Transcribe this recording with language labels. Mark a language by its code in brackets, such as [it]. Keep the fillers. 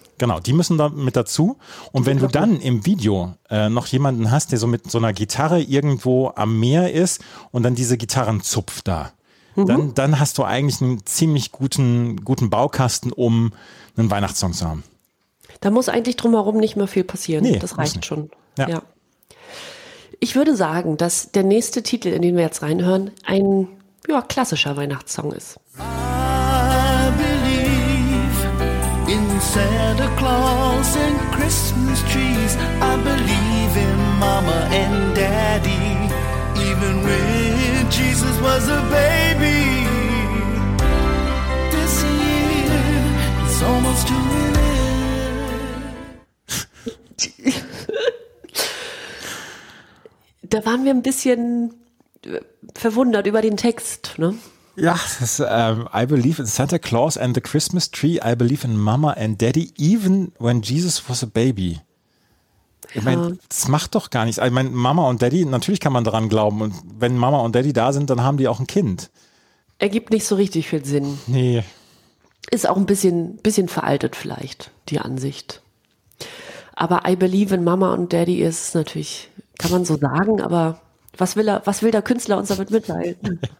[de] Genau, die müssen da mit dazu. Und wenn du dann im Video äh, noch jemanden hast, der so mit so einer Gitarre irgendwo am Meer ist und dann diese Gitarren zupft da, dann, dann hast du eigentlich einen ziemlich guten, guten Baukasten, um einen Weihnachtssong zu haben. Da muss eigentlich drumherum nicht mehr viel passieren. Nee, das muss reicht nicht. schon. Ja. Ja. Ich würde sagen, dass der nächste Titel, in den wir jetzt reinhören, ein ja, klassischer Weihnachtssong ist. [en] I believe in Santa Claus and Christmas trees. I believe in Mama and Daddy. Even when Jesus was a baby. This year, it's almost to an end. [de] Da waren wir ein bisschen äh, verwundert über den Text, ne? [en] Ja, das, ähm, I believe in Santa Claus and the Christmas tree. I believe in Mama and Daddy, even when Jesus was a baby. [de] Ich meine, das macht doch gar nichts. Ich meine, Mama und Daddy, natürlich kann man daran glauben. Und wenn Mama und Daddy da sind, dann haben die auch ein Kind. Ergibt nicht so richtig viel Sinn. Nee. Ist auch ein bisschen, bisschen veraltet vielleicht, die Ansicht. Aber [en] I believe in Mama [de] und Daddy ist natürlich, kann man so sagen, aber was will, er, was will der Künstler uns damit mitteilen?